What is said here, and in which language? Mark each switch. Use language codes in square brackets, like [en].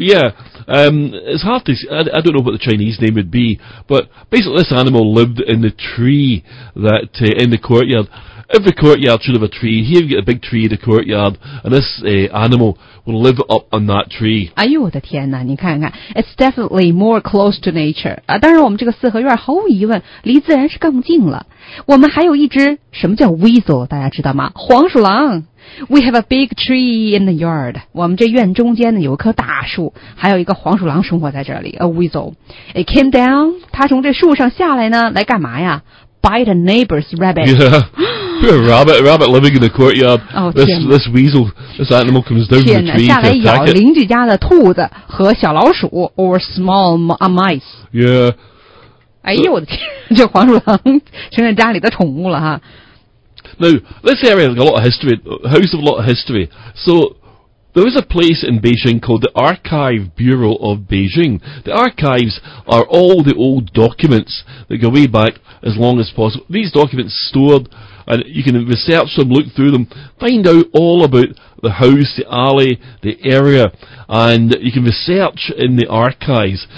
[en] Yeah. It's hard to see. I don't know what the Chinese name would be. But basically this animal lived in the tree that, in the courtyard. Every courtyard should have a tree. Here you get a big tree in the courtyard, and this animal will live up on that tree. [zh] 哎呦我的天哪，你看看 [en] ，it's definitely more close to nature. [zh] 啊，当然我们这个四合院毫无疑问离自然是更近了。我们还有一只什么叫 weasel， 大家知道吗？黄鼠狼。 [en] We have a big tree in the yard. [zh] 我们这院中间呢有一棵大树，还有一个黄鼠狼生活在这里。 [en] A weasel. It came down. [zh] 它从这树上下来呢，来干嘛呀？ [en] Bite a neighbor's rabbit. Yeah, poor rabbit. A rabbit living in the courtyard. This weasel, this animal comes down from the tree to attack it. [zh] 下来咬邻居家的兔子和小老鼠 [en] or small mice. Yeah. [zh] 哎呦我的天，这黄鼠狼成了家里的宠物了哈。 [en] Now, this area has a lot of history. House of a lot of history. So. There is a place in Beijing called the Archive Bureau of Beijing. The archives are all the old documents that go way back as long as possible. These documents stored, and you can research them, look through them, find out all about the house, the alley, the area, and you can research in the archives.